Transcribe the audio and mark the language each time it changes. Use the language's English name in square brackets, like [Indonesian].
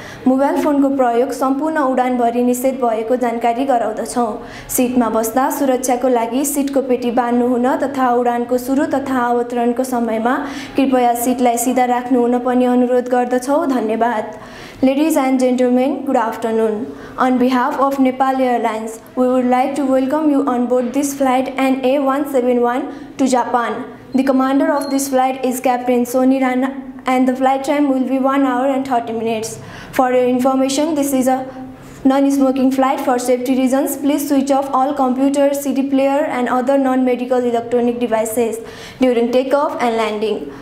[Nepali] Mobile फोनको प्रयोग सम्पूर्ण उडानभरि निषेध भएको जानकारी गराउँदछौँ। सिटमा बस्दा सुरक्षाको लागि सिटको पेटी बाँध्नुहुन तथा उडानको सुरु तथा अवतरणको समयमा कृपया सिटलाई सिधा राख्नुहुन पनि अनुरोध गर्दछौँ। धन्यवाद। [English] Ladies and gentlemen, good afternoon. On behalf of Nepal airlines, we would like to welcome you on board this flight NA171 to Japan. The commander of this flight is Captain Sony Rana and the flight time will be 1 hour and 30 minutes. For your information, this is a non-smoking flight. For safety reasons, please switch off all computers, CD player and other non-medical electronic devices during takeoff and landing.